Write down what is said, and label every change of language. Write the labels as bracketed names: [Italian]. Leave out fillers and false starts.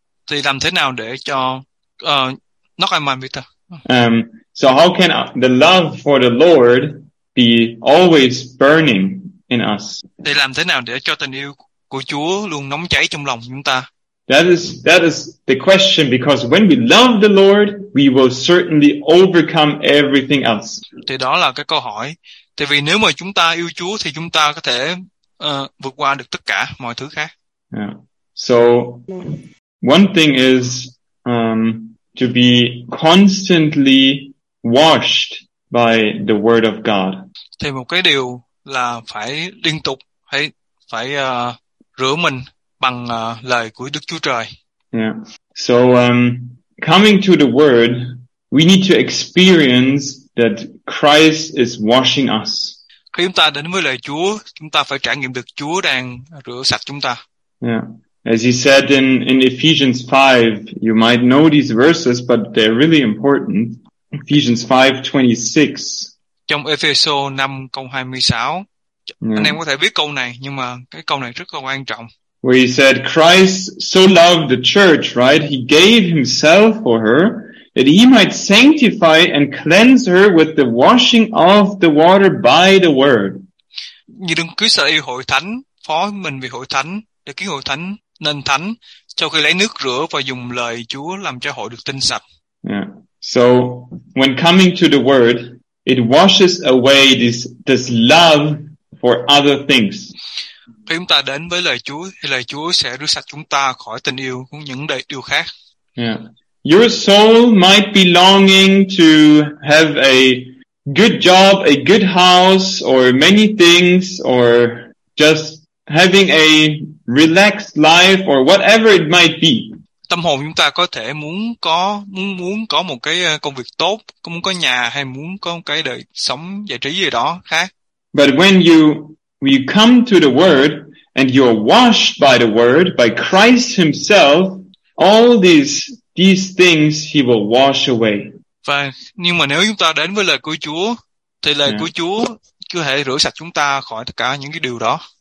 [Vietnamese] Thì làm thế nào để cho [English] not in my meter. So how can the love for the Lord be always burning in us? [Vietnamese] Thì làm thế nào để cho tình yêu của Chúa luôn nóng cháy trong lòng chúng ta? [English] That is the question, because when we love the Lord, we will certainly overcome everything else. [Vietnamese] Thì đó là cái câu hỏi. Tại vì nếu mà chúng ta yêu Chúa thì chúng ta có thể vượt qua được tất cả mọi thứ khác. [English] Yeah. So one thing is to be constantly washed by the word of God. [Vietnamese] Thì một cái điều là phải liên tục phải rửa mình bằng lời của Đức Chúa Trời. [English] Yeah. So coming to the word, we need to experience that Christ is washing us. [Vietnamese] Khi chúng ta đến với lời Chúa, chúng ta phải trải nghiệm được Chúa đang rửa sạch chúng ta. [English] Yeah. As you said in Ephesians 5, you might know these verses, but they're really important. Ephesians 5:26. [Vietnamese] Trong Ephesos 5 câu 26. Yeah. Anh em có thể biết câu này, nhưng mà cái câu này rất là quan trọng. [English] Where he said, Christ so loved the church, right? He gave himself for her that he might sanctify and cleanse her with the washing of the water by the word. [Vietnamese] Như Đức Chúa yêu hội thánh, phó mình vì hội thánh, để khiến hội thánh nên thánh, sau khi lấy nước rửa và dùng lời Chúa làm cho hội được tinh sạch. [English] Yeah. So, when coming to the word, it washes away this love for other things. [Vietnamese] Khi chúng ta đến với lời Chúa thì lời Chúa sẽ rửa sạch chúng ta khỏi tình yêu cũng những điều khác. [English] Yeah. Your soul might be longing to have a good job, a good house or many things or just having a relaxed life or whatever it might be. [Vietnamese] Tâm hồn chúng ta có thể muốn có một cái công việc tốt, muốn có nhà hay muốn có một cái đời sống giải trí gì đó khác. [English] But when you come to the word and you're washed by the word, by Christ himself, all these things he will wash away. [Vietnamese] Và nhưng mà nếu chúng ta đến với lời của Chúa, thì lời của Chúa có thể rửa sạch chúng ta khỏi tất cả những cái điều đó.